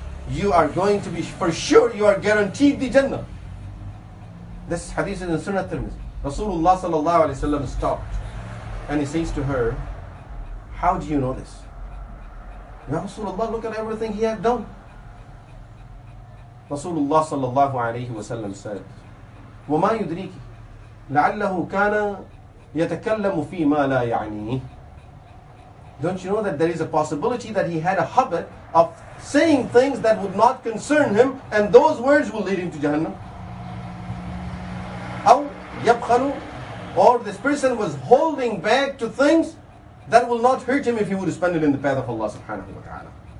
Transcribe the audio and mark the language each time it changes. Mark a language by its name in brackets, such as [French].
[English] You are going to be, for sure, you are guaranteed the Jannah." This hadith is in Sunnah Tirmidhi. Rasulullah sallallahu alayhi wasallam stopped. And he says to her, "How do you know this? Ya Rasulullah, look at everything he had done." [Arabic] Rasulullah sallallahu alayhi wa sallam said, "وَمَا يُدْرِيكِ لَعَلَّهُ كَانَ يَتَكَلَّمُ فِي مَا لَا يَعْنِيهِ." [English] Don't you know that there is a possibility that he had a habit of saying things that would not concern him, and those words will lead him to Jahannam? [Arabic] أَوْ يَبْخَلُ, [English] or this person was holding back to things that will not hurt him if he would spend it in the path of Allah subhanahu wa ta'ala.